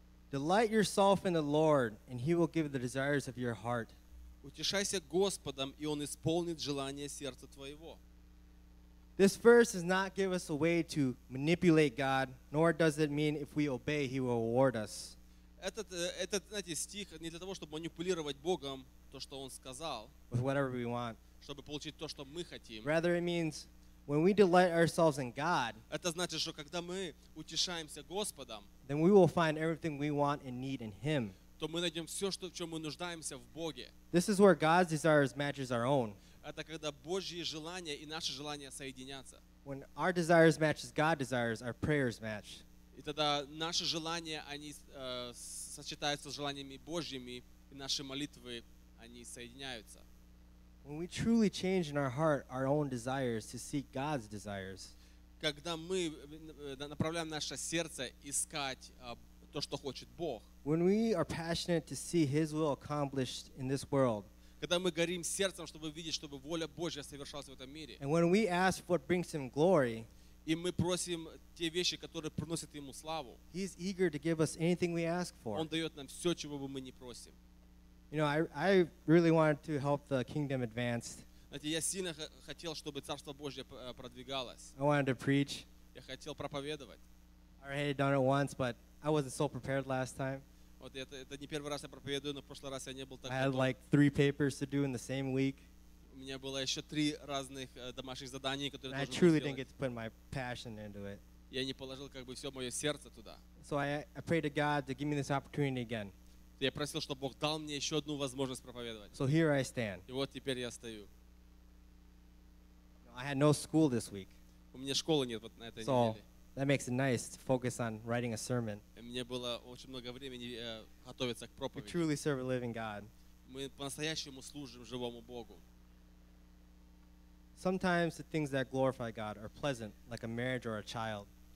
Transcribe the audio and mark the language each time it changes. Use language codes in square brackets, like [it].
[en] Delight yourself in the Lord, and He will give the desires of your heart. [ru] Утешайся Господом, и Он исполнит желание сердца твоего. [en] This verse does not give us a way to manipulate God, nor does it mean if we obey, He will reward us. [ru] Этот, знаете, стих не для того, чтобы манипулировать Богом то, что Он сказал, [en] with whatever we want. [ru] Чтобы получить то, что мы хотим. [en] Rather, it means when we delight ourselves in God, [ru] это значит, что когда мы утешаемся Господом, [en] then we will find everything we want and need in Him. [ru] То мы найдем все, что, в чем мы нуждаемся в Боге. [en] This is where God's desires matches our own. [ru] Это когда Божьи желания и наши желания соединятся. [en] When our desires matches God's desires, our prayers match. [ru] И тогда наши желания, они сочетаются с желаниями Божьими, и наши молитвы, они соединяются. [en] When we truly change in our heart our own desires to seek God's desires, [ru] когда мы направляем наше сердце искать то, что хочет Бог, [en] when we are passionate to see His will accomplished in this world, [ru] когда мы горим сердцем, чтобы видеть, чтобы воля Божья совершалась в этом мире, [en] and when we ask what brings Him glory, [ru] и мы просим те вещи, которые приносят Ему славу. [en] He's eager to give us anything we ask for. [ru] Он дает нам все, чего бы мы ни просим. [en] You know, I really wanted to help the kingdom advance. [ru] Знаете, я сильно хотел, чтобы Царство Божье продвигалось. [en] I wanted to preach. [ru] Я хотел проповедовать. [en] I already done it once, but I wasn't so prepared last time. [ru] Вот это не первый раз я проповедую, но в прошлый раз я не был так готов. [en] I had like 3 papers to do in the same week. [ru] У меня было еще 3 разных домашних задания, которые [en] I truly didn't get to put my passion into it. [ru] Я не положил как бы все мое сердце туда. [en] So I prayed to God to give me this opportunity again. [ru] Я просил, чтобы Бог дал мне еще одну возможность проповедовать. [en] So here I stand. [ru] И вот теперь я стою. [en] I had no school this week. [ru] У меня школы нет вот на этой [en] so [ru] неделе. [en] So that makes it nice to focus on writing a sermon. [ru] И мне было очень много времени готовиться к проповеди. [en] We truly serve a living God. [ru] Мы по-настоящему служим живому Богу. [en] Sometimes the things that glorify God are pleasant, like a marriage or a child.